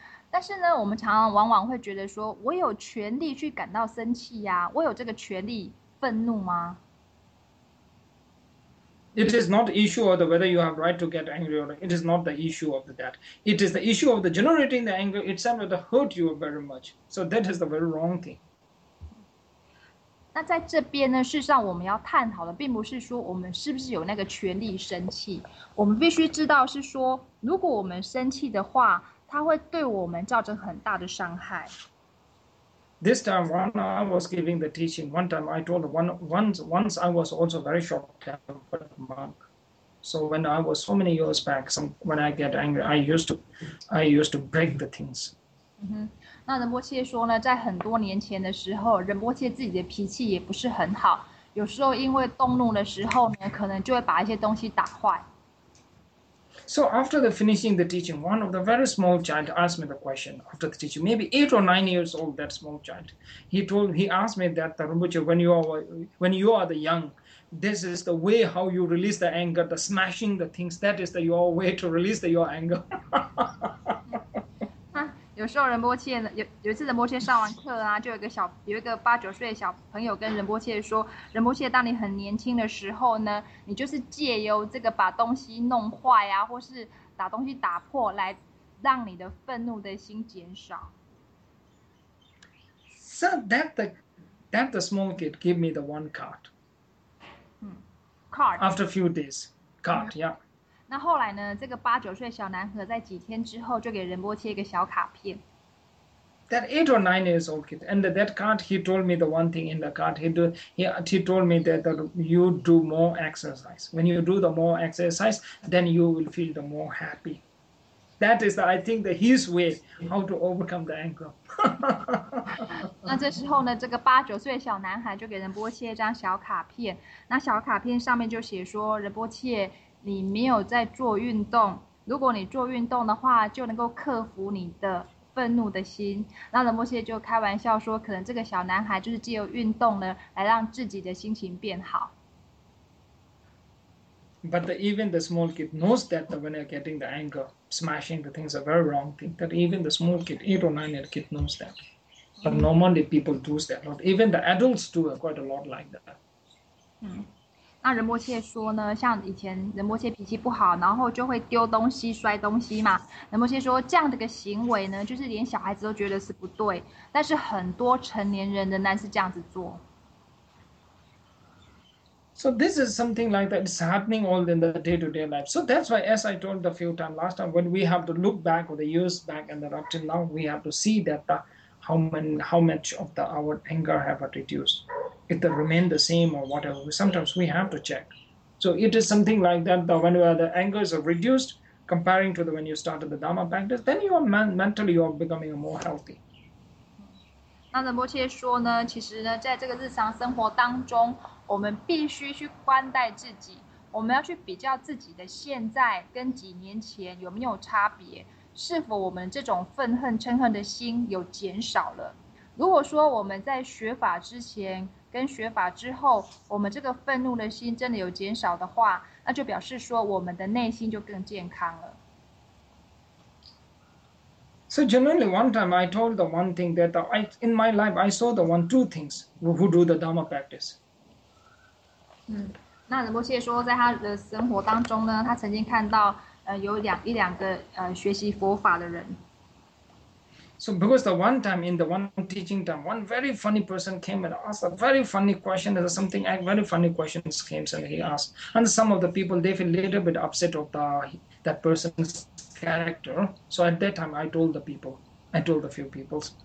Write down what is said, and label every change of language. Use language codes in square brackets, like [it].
[zh] 但是呢，我们常常往往会觉得说，我有权利去感到生气呀，我有这个权利愤怒吗？ [en] It is not issue of the whether you have right to get angry or not. It is not the issue of that. It is the issue of the generating the anger itself that hurt you very much. So that is the very wrong thing. [zh] 那在这边呢，事实上我们要探讨的并不是说我们是不是有那个权利生气。我们必须知道是说，如果我们生气的话，它会对我们造成很大的伤害。 [en] This time when I was giving the teaching, one time I told once I was also very short-tempered monk. So when I was so many years back, when I get angry, I used to break the things. [zh] 那仁波切说呢，在很多年前的时候，仁波切自己的脾气也不是很好，有时候因为动怒的时候呢，可能就会把一些东西打坏。 [en] So after the finishing the teaching, one of the very small child asked me the question after the teaching, maybe 8 or 9 years old, that small child. He asked me that, Rinpoche, when you are the young, this is the way how you release the anger, the smashing the things, that is the, your way to release the, your anger. [zh] 有时候仁波切有一次仁波切上完课啊，就有一个八九岁的小朋友跟仁波切说，仁波切，当你很年轻的时候呢，你就是借由这个把东西弄坏啊，或是把东西打破，来让你的愤怒的心减少。 [en] So that the small kid gave me the one card. Card. After a few days, card, yeah. [zh] 那后来呢？这个八九岁小男孩在几天之后就给仁波切一个小卡片。 [en] That 8 or 9 years old kid, and that card, he told me the one thing in the card. He told me that you do more exercise. When you do the more exercise, then you will feel the more happy. That is, I think, the his way how to overcome the anger. [zh] 那这时候呢，这个八九岁小男孩就给仁波切一张小卡片。那小卡片上面就写说，仁波切。你没有在做运动，如果你做运动的话，就能够克服你的愤怒的心。那仁波切就开玩笑说，可能这个小男孩就是借由运动呢，来让自己的心情变好。 [en] But even the small kid knows that when they're getting the anger, smashing the things are very wrong thing. That even the small kid, 8 or 9 year kid knows that. But normally people do that. Not even the adults do quite a lot like that. [zh] 那仁波切说呢，像以前仁波切脾气不好，然后就会丢东西、摔东西嘛。仁波切说，这样的一个行为呢，就是连小孩子都觉得是不对，但是很多成年人仍然是这样子做。 [en] So this is something like that is happening all in the day-to-day life. So that's why, as I told a few times last time, when we have to look back or the years back and up till now, we have to see that how much of our anger have reduced. It remain the same or whatever. Sometimes we have to check. So it is something like that. When the anger is reduced, comparing to the when you started the Dharma practice, then you are mentally you are becoming more healthy. [zh] 那仁波切说呢，其实呢，在这个日常生活当中，我们必须去观待自己。我们要去比较自己的现在跟几年前有没有差别，是否我们这种愤恨、嗔恨的心有减少了？如果说我们在学法之前，跟学法之后，我们这个愤怒的心真的有减少的话，那就表示说我们的内心就更健康了。 [en] So generally, one time I told the one thing that I in my life I saw the one two things who do the Dharma practice. [zh] 那仁波切说，在他的生活当中呢，他曾经看到有两个学习佛法的人。 [en] So because the one time in the one teaching time, one very funny person came and asked a very funny question. There was something, very funny questions came and he asked. And some of the people, they feel a little bit upset of that person's character. So at that time, I told a few people.